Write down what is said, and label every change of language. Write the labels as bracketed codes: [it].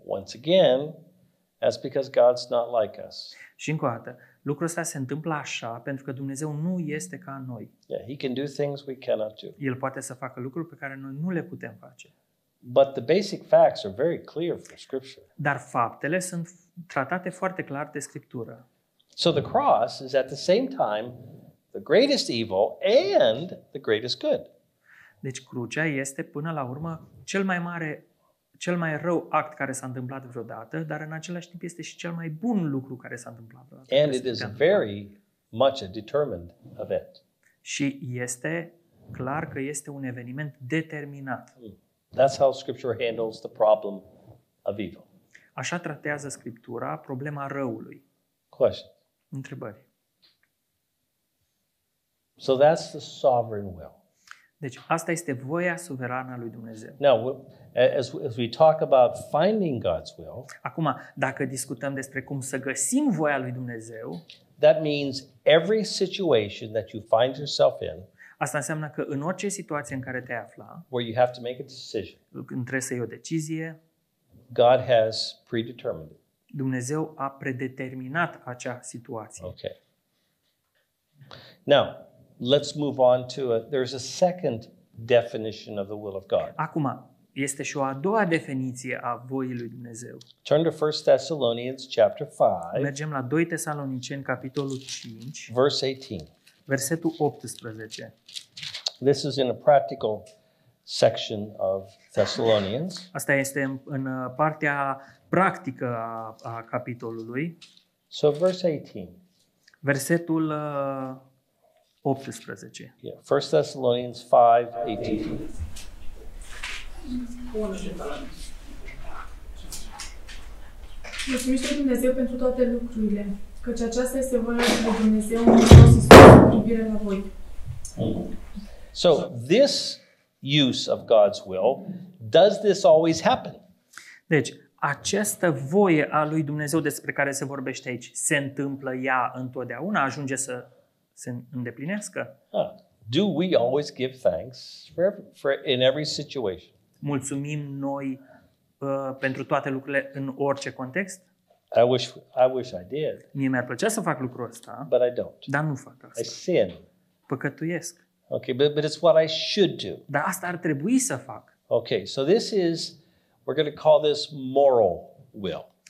[en] Once again, that's because God's not like us. [ro] Și încă o dată, lucrul ăsta se întâmplă așa pentru că Dumnezeu nu este ca noi. [en] Yeah, he can do things we cannot do. [ro] El poate să facă lucruri pe care noi nu le putem face. [en] But the basic facts are very clear from Scripture. [ro] Dar faptele sunt tratate foarte clar de Scriptură. [en] So the cross is at the same time the greatest evil and the greatest good. [ro] Deci crucea este până la urmă cel mai rău act care s-a întâmplat vreodată, dar în același timp este și cel mai bun lucru care s-a întâmplat vreodată. [en] And it is very much a determined event. [ro] Și este clar că este un eveniment determinat. [en] That's how Scripture handles the problem of evil. [ro] Așa tratează Scriptura problema răului. [en] Question. [ro] Întrebări. [en] So that's the sovereign will. [ro] Deci asta este voia suverană a lui Dumnezeu. [en] Now, as we talk about finding God's will, [ro] acum, dacă discutăm despre cum să găsim voia lui Dumnezeu, [en] that means every situation that you find yourself in, [ro] asta înseamnă că în orice situație în care te afla, [en] where you have to make a decision, [ro] când trebuie să iei o decizie, [en] God has predetermined it. [ro] Dumnezeu a predeterminat acea situație. [en] Okay. Now, let's move on to there's a second definition of the will of God. [ro] Acum, este și o a doua definiție a voii lui Dumnezeu. [en] Turn to 1 Thessalonians chapter 5. [ro] Mergem la 2 Tesaloniceni capitolul 5. [en] Verse 18. [ro] Versetul 18. [en] This is in a practical section of Thessalonians. [ro] Asta este în partea practică a capitolului. [en] So verse 18. [ro] Versetul 18. [en] Yeah, 1 Thessalonians 5:18. [ro] Mulțumim lui Dumnezeu pentru toate lucrurile, căci aceasta este voia lui Dumnezeu în Hristos Iisus cu privire la voi. [en] So, this use of God's will, does this always happen? [ro] Deci, această voie a lui Dumnezeu despre care se vorbește aici, se întâmplă ea întotdeauna, ajunge să se îndeplinească? [en] Do we always give thanks for in every situation? [ro] Mulțumim noi pentru toate lucrurile în orice context? [en] I wish I did. [ro] Mie mi-ar plăcea să fac lucrul ăsta. [en] But I don't. [ro] Dar nu fac asta. [en] I sin. [ro] Păcătuiesc. [en] Okay, but it's what I should do. [ro] Dar asta ar trebui să fac. [en] Okay, so this is, we're going to call this moral will.